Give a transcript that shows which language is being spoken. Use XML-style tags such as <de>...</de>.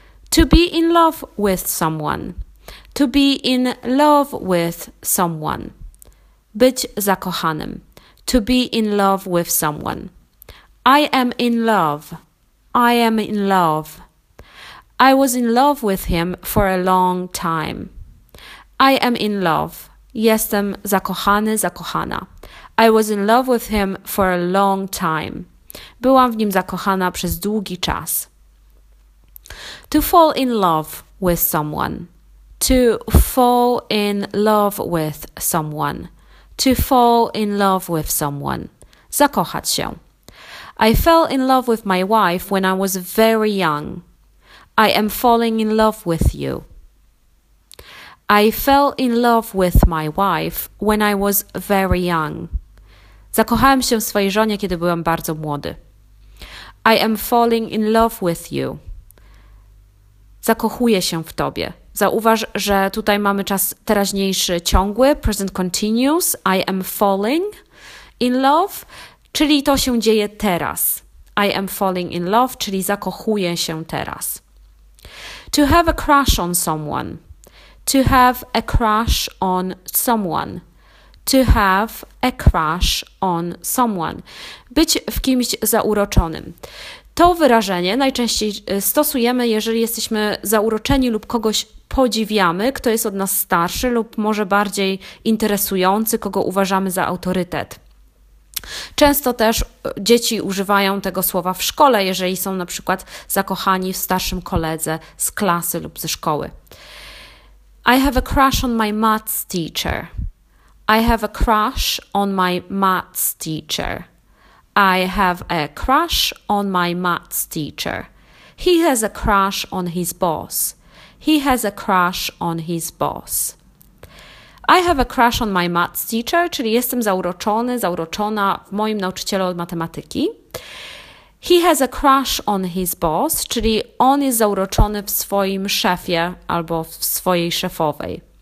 <en>To be in love with someone. To be in love with someone.</en> <pl>Być zakochanym.</pl> <en>To be in love with someone. I am in love. I am in love. I was in love with him for a long time. I am in love.</en> <pl>Jestem zakochany, zakochana.</pl> <en>I was in love with him for a long time.</en> <pl>Byłam w nim zakochana przez długi czas.</pl> <en>To fall in love with someone. To fall in love with someone. To fall in love with someone.</en> <pl>Zakochać się.</pl> <en>I fell in love with my wife when I was very young. I am falling in love with you. I fell in love with my wife when I was very young.</en> <pl>Zakochałem się w swojej żonie, kiedy byłem bardzo młody.</pl> <en>I am falling in love with you.</en> <pl>Zakochuję się w tobie. Zauważ, że tutaj mamy czas teraźniejszy ciągły, present continuous, I am falling in love, czyli to się dzieje teraz.</pl> <en>I am falling in love,</en> <pl>czyli zakochuję się teraz.</pl> <en>To have a crush on someone. To have a crush on someone. To have a crush on someone.</en> <pl>Być w kimś zauroczonym. To wyrażenie najczęściej stosujemy, jeżeli jesteśmy zauroczeni lub kogoś podziwiamy, kto jest od nas starszy lub może bardziej interesujący, kogo uważamy za autorytet. Często też dzieci używają tego słowa w szkole, jeżeli są na przykład zakochani w starszym koledze z klasy lub ze szkoły.</pl> <en>I have a crush on my maths teacher. I have a crush on my maths teacher. I have a crush on my maths teacher. He has a crush on his boss. He has a crush on his boss. I have a crush on my maths teacher,</en> <pl>czyli jestem zauroczony, zauroczona w moim nauczycielu od matematyki.</pl> <en>He has a crush on his boss,</en> <pl>czyli on jest zauroczony w swoim szefie albo w swojej szefowej.</pl>